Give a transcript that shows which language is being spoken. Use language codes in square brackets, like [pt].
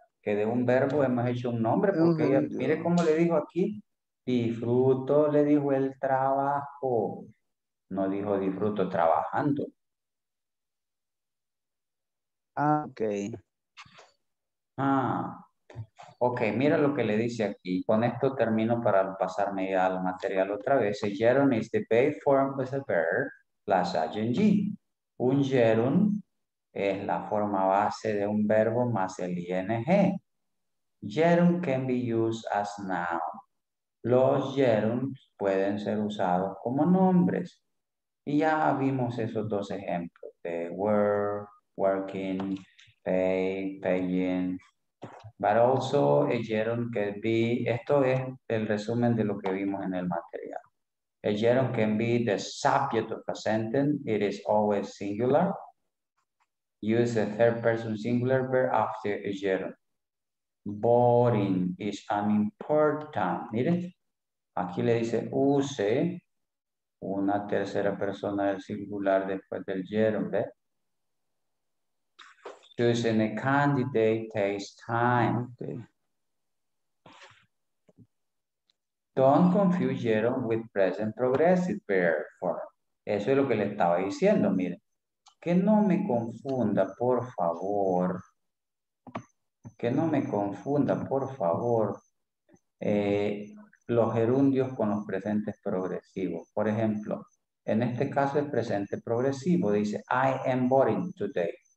[es] Que de un verbo hemos hecho un nombre, porque ella, mire cómo le dijo aquí, disfruto, le dijo el trabajo, no dijo disfruto trabajando. Ah, ok. Ah, ok, mira lo que le dice aquí, con esto termino para pasarme ya al material otra vez. [en] A gerund is the base form of the verb plus ing. [es] Un gerund es la forma base de un verbo más el ing. [en] Gerund can be used as noun. [es] Los gerunds pueden ser usados como nombres. Y ya vimos esos dos ejemplos. De were, working, pay, paying. [en] But also a gerund can be, [es] esto es el resumen de lo que vimos en el material. [en] A gerund can be the subject of a sentence. It is always singular. Use a third person singular verb after a gerund. Voting is an important. [es] Mire, aquí le dice use una tercera persona del singular después del gerund. [en] Choosing a candidate takes time. Okay. Don't confuse gerund with present progressive verb form. [es] Eso es lo que le estaba diciendo, miren. Que no me confunda, por favor. Que no me confunda, por favor, los gerundios con los presentes progresivos. Por ejemplo, en este caso el presente progresivo dice, [en] I am voting today.